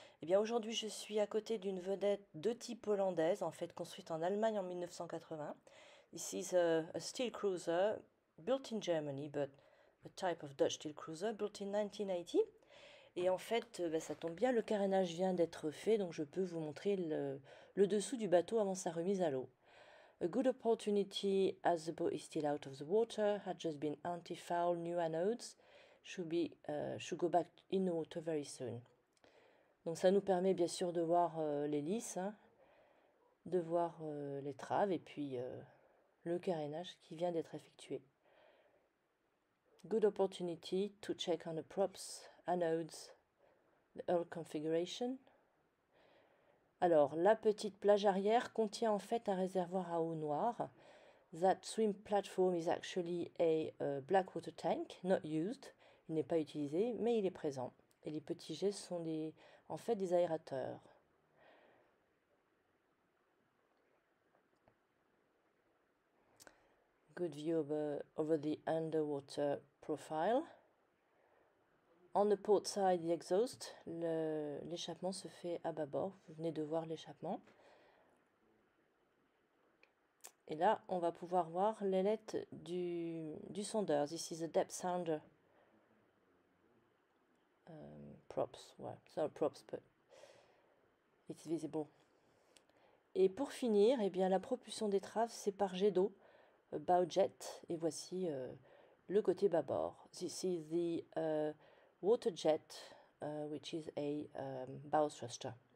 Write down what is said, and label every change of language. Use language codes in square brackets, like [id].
[fr] Eh bien aujourd'hui je suis à côté d'une vedette de type hollandaise, en fait construite en Allemagne en 1980. [en] This is a steel cruiser built in Germany, but a type of Dutch steel cruiser built in 1980. [fr] Et en fait, bah, ça tombe bien, le carénage vient d'être fait, donc je peux vous montrer le dessous du bateau avant sa remise à l'eau. [en] A good opportunity as the boat is still out of the water, had just been anti-foul, new anodes. Should go back in the water very soon. [fr] Donc ça nous permet bien sûr de voir l'hélice, hein, de voir l'étrave et puis le carénage qui vient d'être effectué. [en] Good opportunity to check on the props, anodes, the hull configuration. [fr] Alors la petite plage arrière contient en fait un réservoir à eau noire. [en] That swim platform is actually a black water tank, not used. [fr] Il n'est pas utilisé, mais il est présent. Et les petits jets sont en fait des aérateurs. [en] Good view over the underwater profile. On the port side, the exhaust. [fr] L'échappement se fait à bâbord. Vous venez de voir l'échappement. Et là, on va pouvoir voir l'ailette du sondeur. [en] This is a depth sounder. Props, [fr] ouais, c'est un [en] props, but it's visible. [fr] Et pour finir, eh bien, la propulsion d'étrave, c'est par jet d'eau, bow jet, et voici le côté bâbord. [en] This is the water jet, which is a bow thruster.